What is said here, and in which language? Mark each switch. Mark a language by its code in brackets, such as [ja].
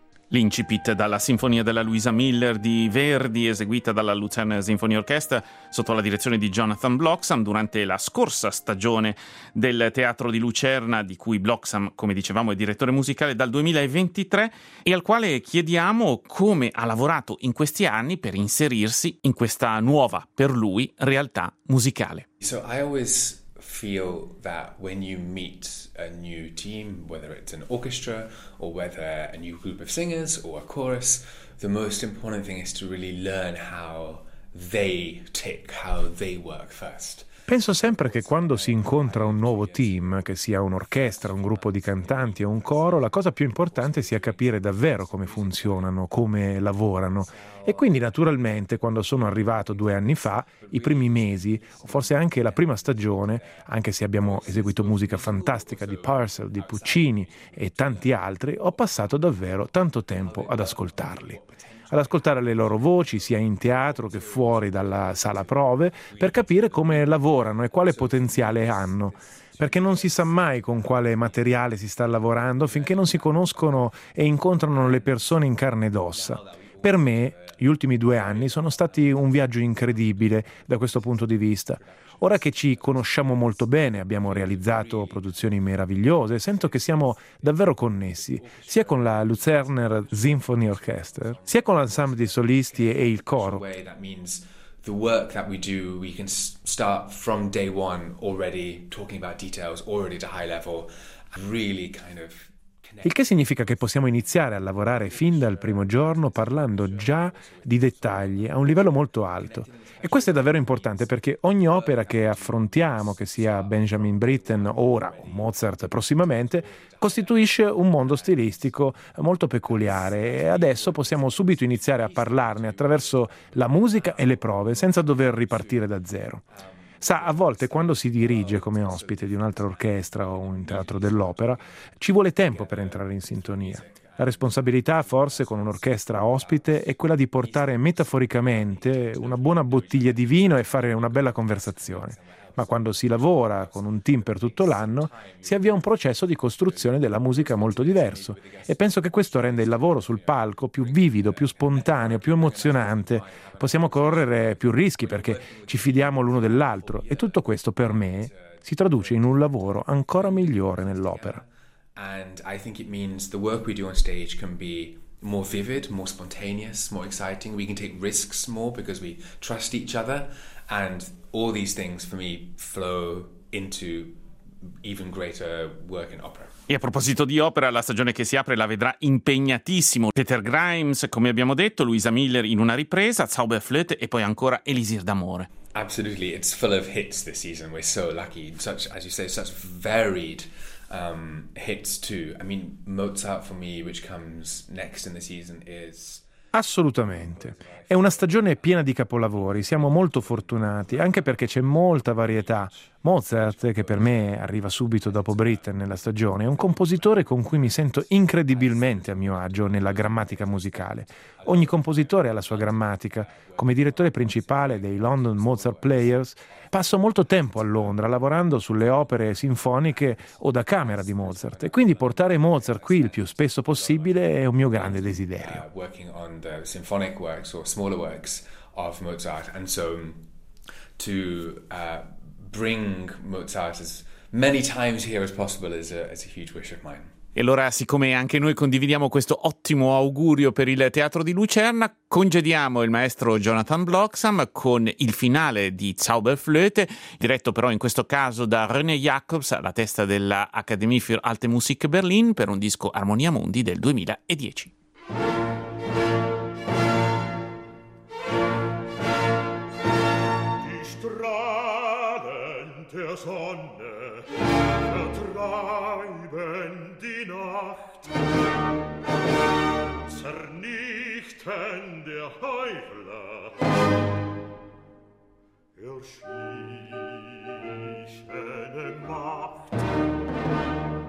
[it] L'incipit dalla Sinfonia della Louisa Miller di Verdi, eseguita dalla Lucerna Symphony Orchestra sotto la direzione di Jonathan Bloxham durante la scorsa stagione del Teatro di Lucerna, di cui Bloxham, come dicevamo, è direttore musicale dal 2023 e al quale chiediamo come ha lavorato in questi anni per inserirsi in questa nuova, per lui, realtà musicale. [en] So I always feel that when you meet a new team, whether it's an orchestra or whether a new group of singers or a chorus, the most important thing is to really learn how they tick, how they work first. [it] Penso sempre che quando si incontra un nuovo team, che sia un'orchestra, un gruppo di cantanti o un coro, la cosa più importante sia capire davvero come funzionano, come lavorano. E quindi, naturalmente, quando sono arrivato 2 anni fa, i primi mesi, o forse anche la prima stagione, anche se abbiamo eseguito musica fantastica di Purcell, di Puccini e tanti altri, ho passato davvero tanto tempo ad ascoltarli. Ad ascoltare le loro voci sia in teatro che fuori dalla sala prove per capire come lavorano e quale potenziale hanno. Perché non si sa mai con quale materiale si sta lavorando finché non si conoscono e incontrano le persone in carne ed ossa. Per me, gli ultimi 2 anni sono stati un viaggio incredibile da questo punto di vista. Ora che ci conosciamo molto bene, abbiamo realizzato produzioni meravigliose, sento che siamo davvero connessi, sia con la Luzerner Symphony Orchestra, sia con l'ensemble di solisti e il coro. [en] That means the work that we do, we can start from day one already talking about details, already at a high level, really kind of. [it] Il che significa che possiamo iniziare a lavorare fin dal primo giorno parlando già di dettagli a un livello molto alto. E questo è davvero importante perché ogni opera che affrontiamo, che sia Benjamin Britten ora o Mozart prossimamente, costituisce un mondo stilistico molto peculiare e adesso possiamo subito iniziare a parlarne attraverso la musica e le prove senza dover ripartire da zero. Sa, a volte quando si dirige come ospite di un'altra orchestra o un teatro dell'opera, ci vuole tempo per entrare in sintonia. La responsabilità, forse, con un'orchestra ospite è quella di portare metaforicamente una buona bottiglia di vino e fare una bella conversazione. Ma quando si lavora con un team per tutto l'anno, si avvia un processo di costruzione della musica molto diverso. E penso che questo renda il lavoro sul palco più vivido, più spontaneo, più emozionante. Possiamo correre più rischi perché ci fidiamo l'uno dell'altro. E tutto questo, per me, si traduce in un lavoro ancora migliore nell'opera. [en] And I think it means the work we do on stage can be more vivid, more spontaneous, more exciting. We can take risks more because we trust each other. And all these things for me flow into even greater work in opera. [it] E a proposito di opera, la stagione che si apre la vedrà impegnatissimo. Peter Grimes, come abbiamo detto, Louisa Miller in una ripresa, Zauberflöte e poi ancora Elisir d'Amore. [en] Absolutely, it's full of hits this season. We're so lucky. Such, as you say, such varied hits too. I mean, Mozart for me, which comes next in the season, is... [it] Assolutamente. È una stagione piena di capolavori. Siamo molto fortunati, anche perché c'è molta varietà. Mozart, che per me arriva subito dopo Britten nella stagione, è un compositore con cui mi sento incredibilmente a mio agio nella grammatica musicale. Ogni compositore ha la sua grammatica. Come direttore principale dei London Mozart Players, passo molto tempo a Londra lavorando sulle opere sinfoniche o da camera di Mozart. E quindi portare Mozart qui il più spesso possibile è un mio grande desiderio. [en] Working on the symphonic works or smaller works of Mozart, and so to bring Mozart as many times here as possible is a huge wish of mine. [it] E allora, siccome anche noi condividiamo questo ottimo augurio per il Teatro di Lucerna, congediamo il maestro Jonathan Bloxham con il finale di Zauberflöte, diretto però in questo caso da René Jacobs, alla testa dell'Akademie für Alte Musik Berlin, per un disco Armonia Mundi del 2010. [de] Die Strahlen der Sonne vertreiben die Nacht, zernichten der Heuchler ihr schlichene Macht.